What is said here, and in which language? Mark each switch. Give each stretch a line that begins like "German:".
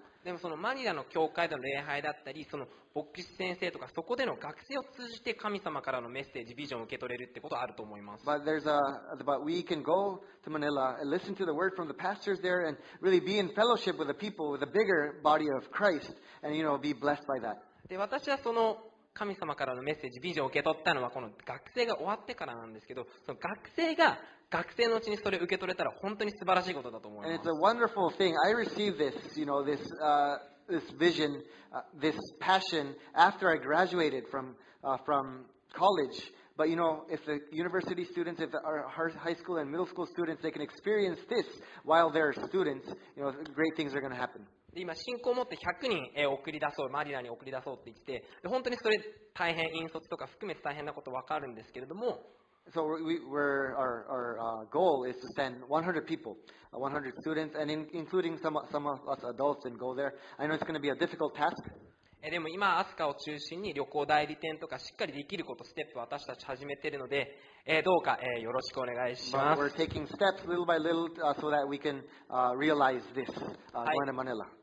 Japanese: でもそのマニラの教会での礼拝だったりその牧師先生とかそこでの学生を通じて神様からのメッセージビジョンを受け取れるってことはあると思います。
English: But we can go to Manila and listen to the word from the pastors there and really be in fellowship with the people with a bigger body of Christ and you know be blessed by that.
Japanese: で私はその神様からのメッセージビジョンを受け取ったのはこの学生が終わってからなんですけど、その学生が学生のうちにそれを受け取れたら本当に素晴らしいことだと思います。
English: And it's a wonderful thing. I received this, you know, this, this vision, this passion after I graduated from college. But you know, if the university students, if our high school and middle school students, they can experience this while they're students, you know, great things are going to happen.
Japanese: で今信仰を持って100人送り出そうマニラに送り出そうって言ってで本当にそれ大変引率とか含めて大変なこと分かるんですけれども
English: So our goal is to send 100 people 100 students and including some of us adults and go there. I know it's going to be a difficult task.
Japanese: でも今アスカを中心に旅行代理店とかしっかりできることステップを私たち始めているのでどうかよろしくお願いします。
English: But we're taking steps little by little so that we can realize this going to Manila.